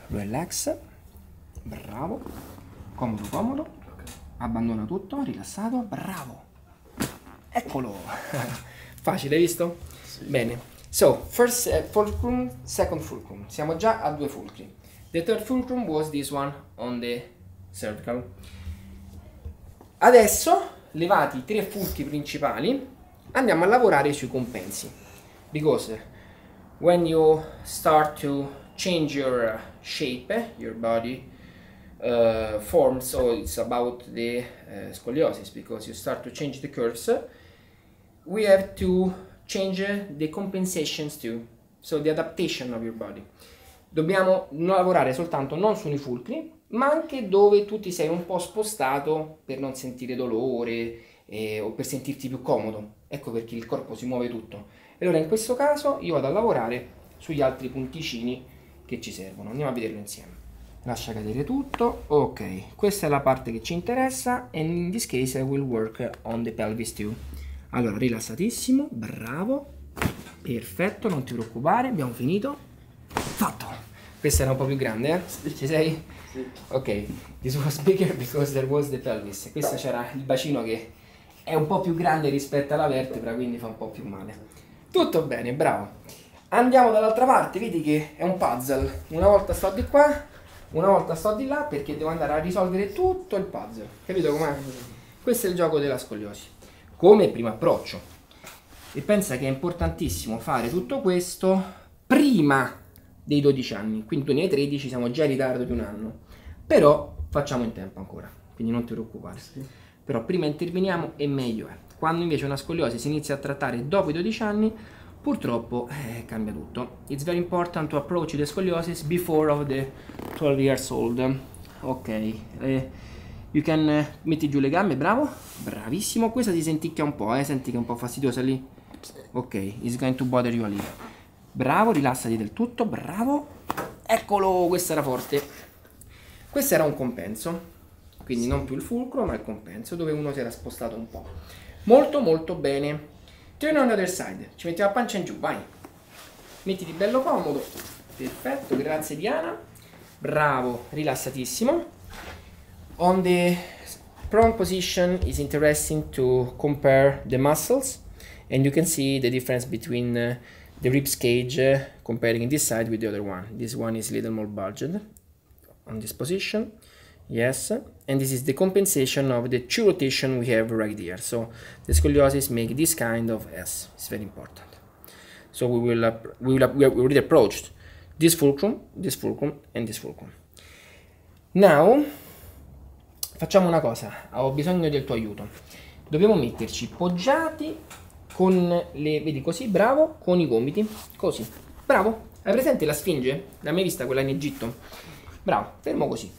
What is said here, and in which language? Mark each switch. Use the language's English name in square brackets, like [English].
[Italian] Relax, bravo, comodo, comodo, abbandona tutto, rilassato, bravo, eccolo! Facile, hai visto? Sì. [English] Bene. So, first fulcrum, second fulcrum. [Italian] Siamo già a due fulcri. [English] The third fulcrum was this one on the cervical. [Italian] Adesso, levati i tre fulcri principali, andiamo a lavorare sui compensi. [English] Because when you start to change your shape, your body form, so it's about the scoliosis, because you start to change the curves, we have to change the compensations too, so the adaptation of your body. [Italian] Dobbiamo lavorare soltanto non sui fulcri, ma anche dove tu ti sei un po' spostato per non sentire dolore o per sentirti più comodo. Ecco perché il corpo si muove tutto. Allora in questo caso io vado a lavorare sugli altri punticini che ci servono. Andiamo a vederlo insieme. Lascia cadere tutto. Ok, questa è la parte che ci interessa [English] and in this case I will work on the pelvis too. [Italian] Allora, rilassatissimo, bravo, perfetto, non ti preoccupare, abbiamo finito, fatto! Questa era un po' più grande, Sì. Ci sei? Sì. [English] Ok, this was bigger because there was the pelvis. [Italian] Questo c'era il bacino che è un po' più grande rispetto alla vertebra, quindi fa un po' più male. Tutto bene, bravo. Andiamo dall'altra parte, vedi che è un puzzle. Una volta sto di qua, una volta sto di là, perché devo andare a risolvere tutto il puzzle. Capito com'è? Questo è il gioco della scoliosi. Come primo approccio. E pensa che è importantissimo fare tutto questo prima dei 12 anni. Quindi tu ne hai 13, siamo già in ritardo di un anno. Però facciamo in tempo ancora, quindi non ti preoccupare. Sì. Però prima interveniamo e meglio è. Quando invece una scoliosi si inizia a trattare dopo i 12 anni, purtroppo cambia tutto. [English] It's very important to approach the scoliosis before of the 12 years old. [Italian] Ok. [English] You can [Italian] metti giù le gambe, bravo, bravissimo. Questa si senticchia un po', senti che è un po' fastidiosa lì. [English] Ok, it's going to bother you a little. [Italian] Bravo, rilassati del tutto, bravo. Eccolo, questa era forte. Questo era un compenso, quindi sì. Non più il fulcro, ma il compenso, dove uno si era spostato un po'. Molto, molto bene. [English] Turn on the other side, [Italian] ci mettiamo la pancia in giù, vai. Mettiti bello comodo, perfetto, grazie Diana. Bravo, rilassatissimo. [English] On the prone position is interesting to compare the muscles and you can see the difference between the ribs cage comparing this side with the other one. This one is a little more bulged on this position. Yes, and this is the compensation of the two rotation we have right here. So the scoliosis make this kind of S. It's very important. So we already approached this fulcrum and this fulcrum. [Italian] Now facciamo una cosa, ho bisogno del tuo aiuto. Dobbiamo metterci poggiati con le, vedi così, bravo, con i gomiti, così. Bravo, hai presente la sfinge? L'hai mai vista quella in Egitto? Bravo, fermo così.